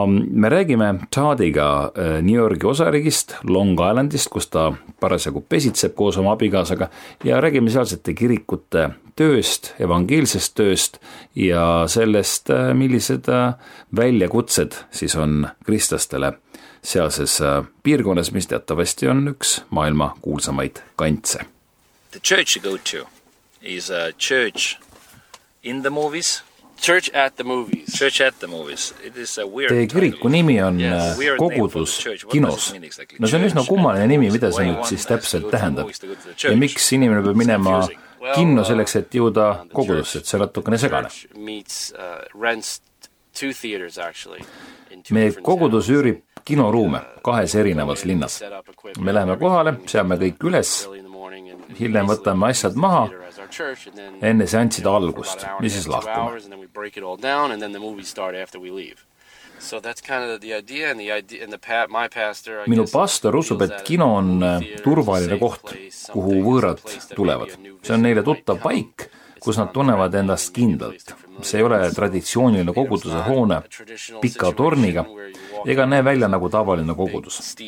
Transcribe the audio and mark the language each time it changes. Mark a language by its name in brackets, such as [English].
[Estonian] Me räägime Taadiga New Yorki osariigist, Long Islandist, kus ta parasjagu pesitseb koos oma abikaasaga, ja räägime sealsete kirikute tööst, evangeelsest tööst ja sellest, millised väljakutsed siis on kristlastele sealses piirkonnas, mis teatavasti on üks maailma kuulsamaid kantse. [English] The church you go to is a church in the movies. Church at the movies. Church at the movies. It is a weird [Estonian] title. Teie kiriku nimi on kogudus kinos. No see on üsna kummaline nimi, mida see nüüd siis täpselt tähendab. Ja miks inimene peab minema kinno selleks, et jõuda kogudusse, et see natukene segane. Meie kogudus üürib kinoruume kahes erinevas linnas. Me läheme kohale, seame kõik üles, hiljem võtame asjad maha, enne seansid algust, mis siis lahkume. [English] So that's kind of the idea and my pastor, [Estonian] minu pastor usub, et kino on turvaline koht, kuhu võõrad tulevad. See on neile tuttav paik, kus nad tunnevad endast kindlalt. See ei ole traditsiooniline koguduse hoone pika torniga, ega näe välja nagu tavaline kogudus.